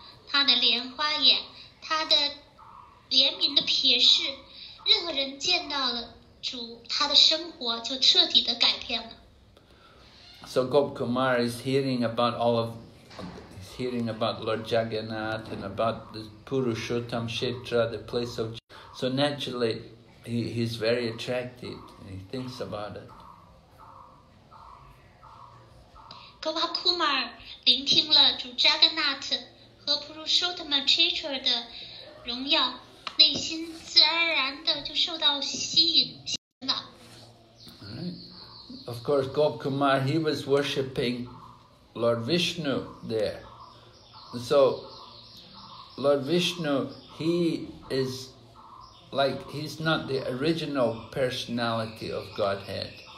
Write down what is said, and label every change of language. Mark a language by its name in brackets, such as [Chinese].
[Chinese] 他的莲花眼，他的怜悯的瞥视。任何人见到了主，他的生活就彻底的改变了。 [English] So Gop Kumar is hearing about all of, he's hearing about Lord Jagannath and about the Purushottam Kshetra, the place of. So naturally, he's very attracted and he thinks about it. [Chinese] Gop Kumar 聆听了主 Jagannath 和 Purushottam Kshetra 的荣耀。内心自然而然的就受到吸引了。 [English] Alright. of course, Gop Kumar, he was worshipping Lord Vishnu there. So Lord Vishnu, he is like, he's not the original personality of Godhead.